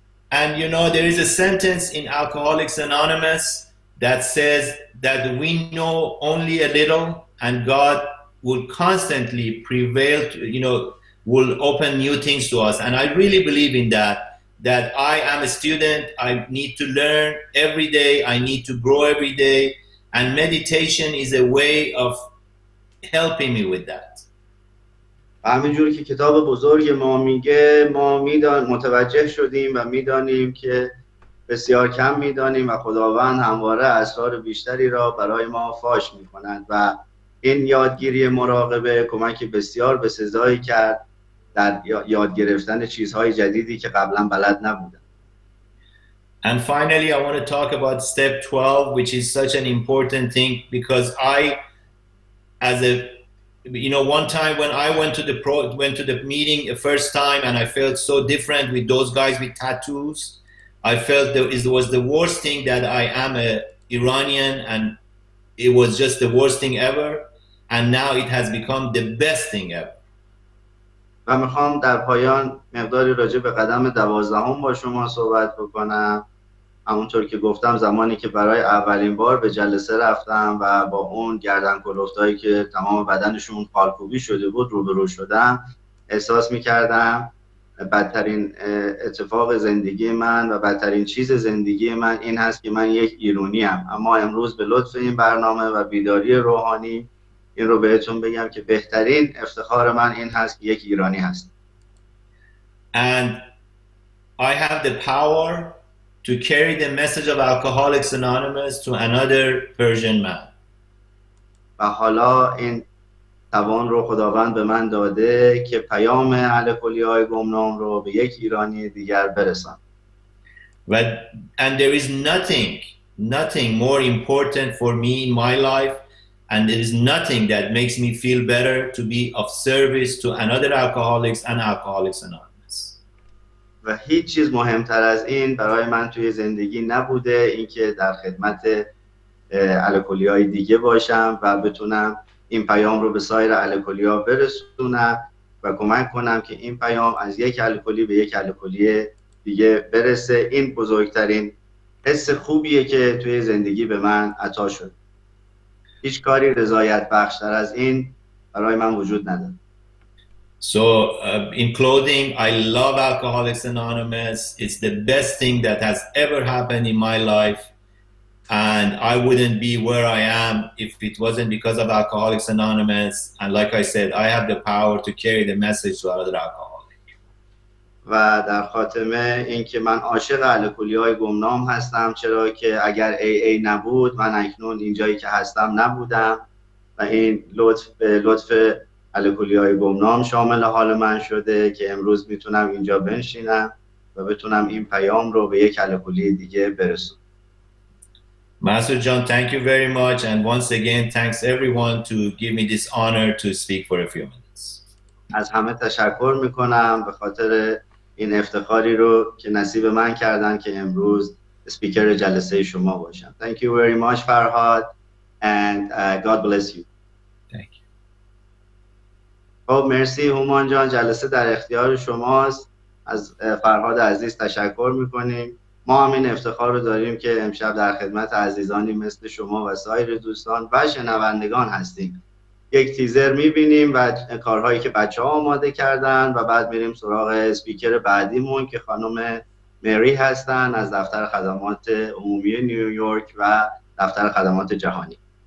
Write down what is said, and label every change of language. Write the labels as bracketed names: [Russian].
[English] And there is a sentence in Alcoholics Anonymous that says that we know only a little and God will constantly prevail to, will open new things to us, and I really believe in that I am a student, I need to learn every day, I need to grow every day, and meditation is a way of helping me with that. [Persian] همینجوری که کتاب بزرگ ما میگه، ما میدان متوجه شدیم و میدانیم که بسیار کم میدانیم و خداوند همواره اسرار بیشتری را برای ما فاش میکنند، و این یادگیری مراقبه کمک بسیار به سزایی کرد در یاد گرفتن چیزهای جدیدی که قبلا بلد نبودم. [English] And finally I want to talk about step 12, which is such an important thing, because I as a one time when I went to the meeting the first time and I felt so different with those guys with tattoos, I felt that it was the worst thing that I am a Iranian, and it was just the worst thing ever, and now it has become the best thing ever. [Persian] و میخوام در پایان مقداری راجع به قدم 12 با شما صحبت بکنم، همونطور که گفتم زمانی که برای اولین بار به جلسه رفتم و با اون گردن کلفتایی که تمام بدنشون خالکوبی شده بود روبرو شدم، احساس میکردم بدترین اتفاق زندگی من و بدترین چیز زندگی من این هست که من یک ایرانی‌ام. اما امروز به لطف این برنامه و بیداری روحانی این رو بهتون بگم که بهترین افتخار من این هست که یک ایرانی هست. [English] And I have the power to carry the message of Alcoholics Anonymous to another Persian man. [Persian] و حالا این توان رو خداوند به من داده که پیام اهل کلیه‌های گمنام رو به یک ایرانی دیگر برسان. [English] And there is nothing more important for me in my life, and there is nothing that makes me feel better to be of service to another alcoholics and Alcoholics Anonymous. [Persian] و هیچ چیز مهمتر از این برای من توی زندگی نبوده اینکه در خدمت اهل کلیه‌های دیگه باشم و بتونم این پیام رو به سایر الکلی ها برسونم و کمک کنم که این پیام از یک الکلی به یک الکلی دیگه برسه. این بزرگترین حس خوبیه که توی زندگی به من عطا شد. هیچ کاری رضایت بخشتر از این برای من وجود نداره. [English] So in closing, I love Alcoholics Anonymous. It's the best thing that has ever happened in my life. And I wouldn't be where I am if it wasn't because of Alcoholics Anonymous. And like I said, I have the power to carry the message to other alcoholics. [Persian] و در خاتمه این که من عاشق الکلی‌های گمنام هستم، چرا که اگر AA نبود من اکنون اینجایی که هستم نبودم و این لطف به لطف الکلی‌های گمنام شامل حال من شده که امروز میتونم اینجا بنشینم و بتونم این پیام رو به یک الکلی دیگه برسونم. [English] Master John, thank you very much, and once again, thanks everyone to give me this honor to speak for a few minutes. [Persian] از همه تشکر میکنم به خاطر این افتخاری رو که نصیب من کردن که امروز سپیکر جلسه شما باشم. [English] Thank you very much, Farhad, and God bless you. Thank you. [Persian] خب مرسی هومان جان، جلسه در اختیار شماست. از فرهاد عزیز تشکر میکنیم. ما هم این افتخار رو داریم که امشب در خدمت عزیزانی مثل شما و سایر دوستان و شنوندگان هستیم. یک تیزر میبینیم و کارهایی که بچه ها آماده کردن و بعد میریم سراغ سپیکر بعدیمون که خانم مری هستن از دفتر خدمات عمومی نیویورک و دفتر خدمات جهانی.